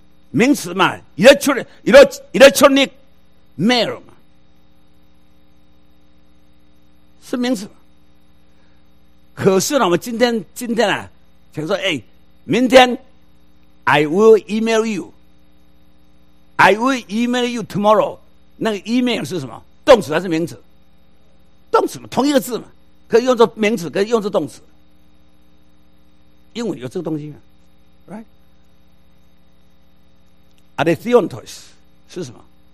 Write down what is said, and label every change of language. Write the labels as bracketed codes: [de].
[zh] 名词嘛 ， electronic mail 嘛。是名词，可是呢，我们今天啊，想说，哎，明天 ， I will email you. [en] I will email you tomorrow. [zh] 那个 email 是什么？动词还是名词？动词嘛，同一个字嘛，可以用作名词，可以用作动词。英文有这个东西吗 ？Right？Adiantos 是什么？